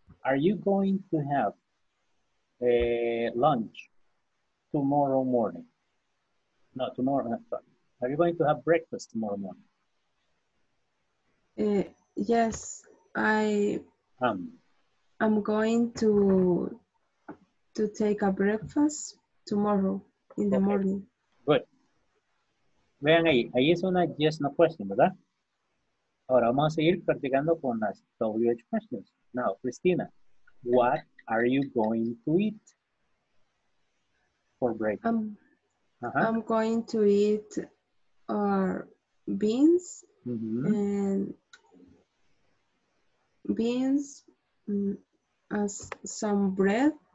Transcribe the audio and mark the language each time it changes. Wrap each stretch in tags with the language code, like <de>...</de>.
<en>Are you going to have lunch tomorrow morning? No, tomorrow. Sorry. Are you going to have breakfast tomorrow morning? Yes, I'm going to take a breakfast tomorrow in the morning. Good.</en> <es>Vean ahí, ahí es una</es> <en>yes no question,</en> <es>¿verdad? Ahora vamos a seguir practicando con las WH questions.</es> <en>Now, Cristina, what are you going to eat for breakfast? I'm going to eat beans, mm-hmm. and beans as some bread,</en>